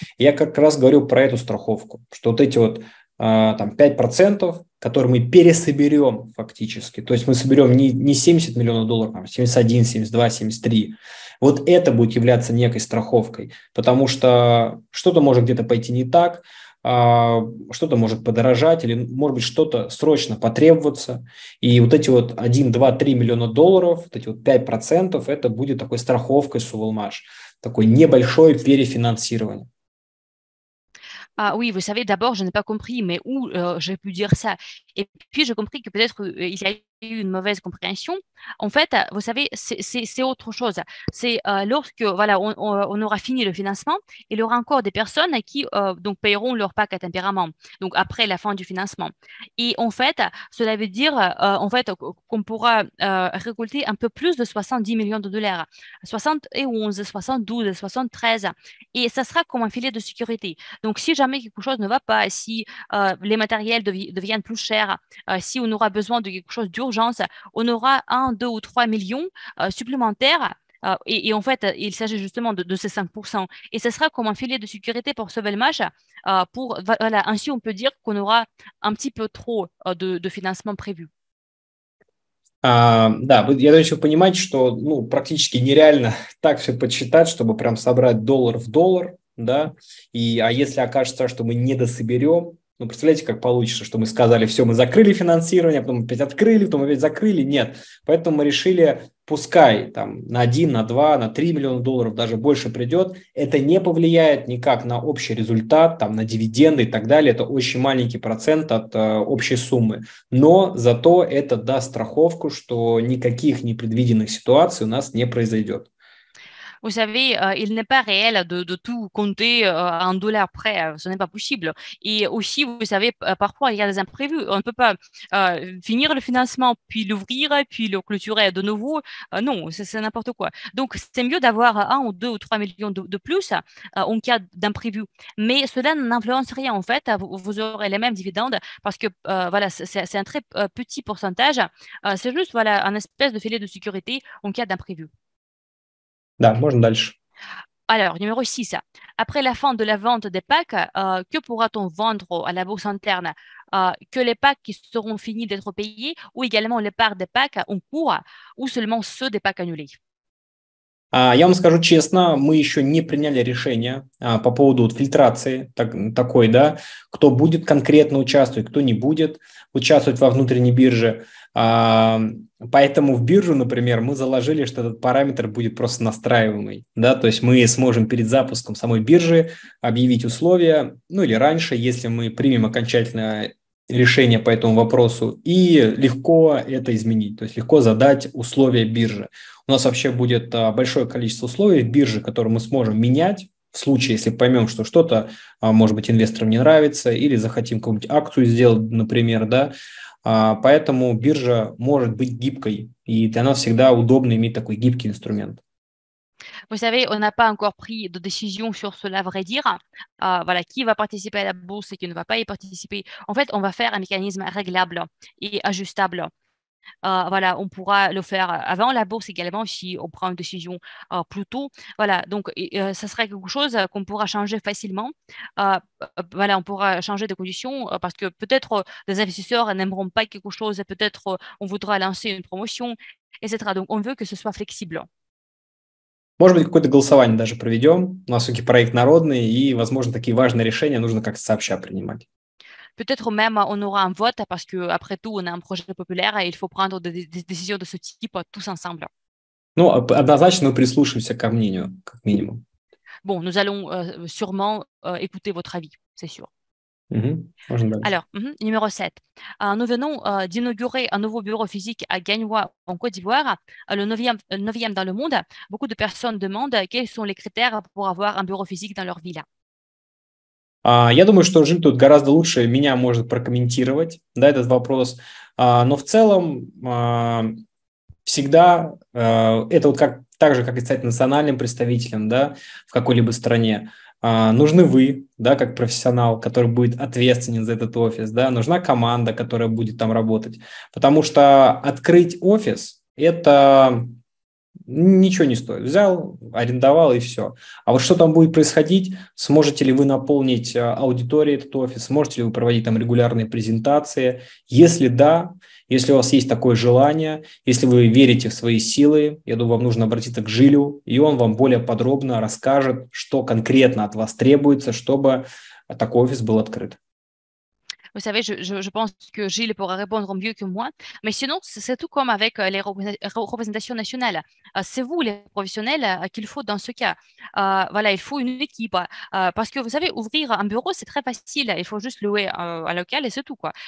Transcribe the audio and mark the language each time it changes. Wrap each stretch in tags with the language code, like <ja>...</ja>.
<ru>Я как раз говорю про эту страховку, что вот эти вот там 5%, которые мы пересоберем фактически, то есть мы соберем не 70 миллионов долларов, а 71, 72, 73, вот это будет являться некой страховкой, потому что что-то может где-то пойти не так, что-то может подорожать или, может быть, что-то срочно потребоваться. И вот эти вот 1, 2, 3 миллиона долларов, вот эти вот 5%, это будет такой страховкой Sovelmash, такое небольшое перефинансирование.</ru> <fr>Oui, vous savez, d'abord, je n'ai pas compris, mais où j'ai pu dire ça? Et puis, j'ai compris que peut-être il y a eu une mauvaise compréhension. En fait, vous savez, c'est autre chose. C'est lorsque, voilà, on aura fini le financement, il y aura encore des personnes qui donc paieront leur pack à tempérament, donc après la fin du financement. Et en fait, cela veut dire en fait, qu'on pourra récolter un peu plus de 70 millions de dollars, 71, 72, 73, et ça sera comme un filet de sécurité. Donc, si jamais quelque chose ne va pas, si les matériels deviennent plus chers, si on aura besoin de quelque chose d'urgence, on aura 1, 2 ou 3 millions supplémentaires. Et en fait, il s'agit justement de ces 5%. Et ce sera comme un filet de sécurité pour Sovelmash. Voilà, ainsi, on peut dire qu'on aura un petit peu trop de financement prévu.</fr> <ru>Да, я хочу понимать, что практически нереально так все подсчитать, чтобы прям собрать доллар в доллар. Да, и а если окажется, что мы не дособерем, представляете, как получится, что мы сказали, все, мы закрыли финансирование, потом опять открыли, потом опять закрыли, нет, поэтому мы решили, пускай там на 1, на 2, на 3 миллиона долларов даже больше придет, это не повлияет никак на общий результат, там на дивиденды и так далее, это очень маленький процент от общей суммы, но зато это даст страховку, что никаких непредвиденных ситуаций у нас не произойдет.</ru> <fr>Vous savez, il n'est pas réel de tout compter en dollars près. Ce n'est pas possible. Et aussi, vous savez, parfois, il y a des imprévus. On ne peut pas finir le financement, puis l'ouvrir, puis le clôturer de nouveau. Non, c'est n'importe quoi. Donc, c'est mieux d'avoir 1 ou 2 ou 3 millions de plus en cas d'imprévu. Mais cela n'influence rien, en fait. Vous aurez les mêmes dividendes parce que, voilà, c'est un très petit pourcentage. C'est juste, voilà, un espèce de filet de sécurité en cas d'imprévu.</fr> <ru>Да, можно дальше.</ru> <fr>Alors, numéro 6. Après la fin de la vente des packs, que pourra-t-on vendre à la bourse interne? Que les packs qui seront finis d'être payés ou également les parts des packs en cours ou seulement ceux des packs annulés?</fr> <ru>Я вам скажу честно, мы еще не приняли решение по поводу вот фильтрации такой, да, кто будет конкретно участвовать, кто не будет участвовать во внутренней бирже. Поэтому в биржу, например, мы заложили, что этот параметр будет просто настраиваемый, да, то есть мы сможем перед запуском самой биржи объявить условия, ну или раньше, если мы примем окончательное решение по этому вопросу, и легко это изменить, то есть легко задать условия биржи. У нас вообще будет большое количество условий в бирже, которые мы сможем менять в случае, если поймем, что что-то, может быть, инвесторам не нравится или захотим какую-нибудь акцию сделать, например, да. Поэтому биржа может быть гибкой, и для нас всегда удобно иметь такой гибкий инструмент.</ru> <fr>Vous savez, on n'a pas encore pris de décision sur cela, à vrai dire. Voilà, qui va participer à la bourse et qui ne va pas y participer. En fait, on va faire un mécanisme réglable et ajustable. Voilà, on pourra le faire avant la bourse également si on prend une décision plus tôt. Voilà, donc ça serait quelque chose qu'on pourra changer facilement. Voilà, on pourra changer de conditions parce que peut-être des investisseurs n'aimeront pas quelque chose et peut-être on voudra lancer une promotion, etc. Donc, on veut que ce soit flexible.</fr> <ru>Может быть, какое-то голосование даже проведем. У нас все-таки проект народный, и, возможно, такие важные решения нужно как-то сообща принимать.</ru> <fr>Peut-être même on aura un vote, parce que, après tout, on a un projet populaire, et il faut prendre des décisions de ce type tous ensemble.</fr> <ru>Ну, однозначно мы прислушаемся ко мнению, как минимум.</ru> <fr>Bon, nous allons sûrement écouter votre avis, c'est sûr. Alors, numéro 7. Nous venons d'inaugurer un nouveau bureau physique à Gagnoua, en Côte d'Ivoire, le 9e dans le monde. Beaucoup de personnes demandent quels sont les critères pour avoir un bureau physique dans leur ville.</fr> <ru>Я думаю, что Жим тут гораздо лучше меня может прокомментировать, да, этот вопрос. Но в целом всегда это вот как, так же, как и стать национальным представителем, да, в какой-либо стране. Нужны вы, да, как профессионал, который будет ответственен за этот офис, да, нужна команда, которая будет там работать. Потому что открыть офис – это ничего не стоит. Взял, арендовал и все. А вот что там будет происходить, сможете ли вы наполнить аудиторией этот офис, сможете ли вы проводить там регулярные презентации? Если да, если у вас есть такое желание, если вы верите в свои силы, я думаю, вам нужно обратиться к Жилю, и он вам более подробно расскажет, что конкретно от вас требуется, чтобы такой офис был открыт.</ru> <fr>Vous savez, je pense que Gilles pourra répondre mieux que moi. Mais sinon, c'est tout comme avec les représentations nationales. C'est vous, les professionnels, qu'il faut dans ce cas. Voilà, il faut une équipe. Parce que, vous savez, ouvrir un bureau, c'est très facile. Il faut juste louer un local et c'est tout, quoi.</fr>